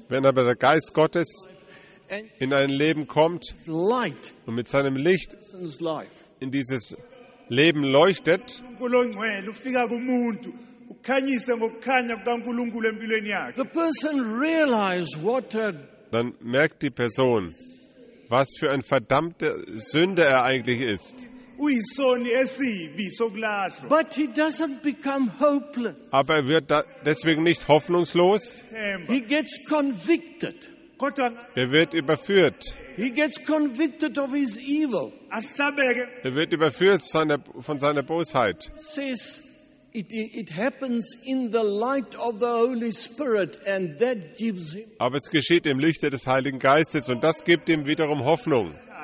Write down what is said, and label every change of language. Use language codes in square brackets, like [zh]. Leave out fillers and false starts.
[de] wenn aber der Geist Gottes in ein Leben kommt und mit seinem Licht in dieses Leben leuchtet, dann merkt die Person, was für ein verdammter Sünder er eigentlich ist. [en] But he doesn't become hopeless. [de] Aber er wird deswegen nicht hoffnungslos. [en] He gets convicted. [de] Er wird überführt. [en] He gets convicted of his evil. [de] Er wird überführt von seiner Bosheit. [en] Says it happens in the light of the Holy Spirit, and that gives him. [de] Aber es geschieht im Lichte des Heiligen Geistes, und das gibt ihm wiederum Hoffnung.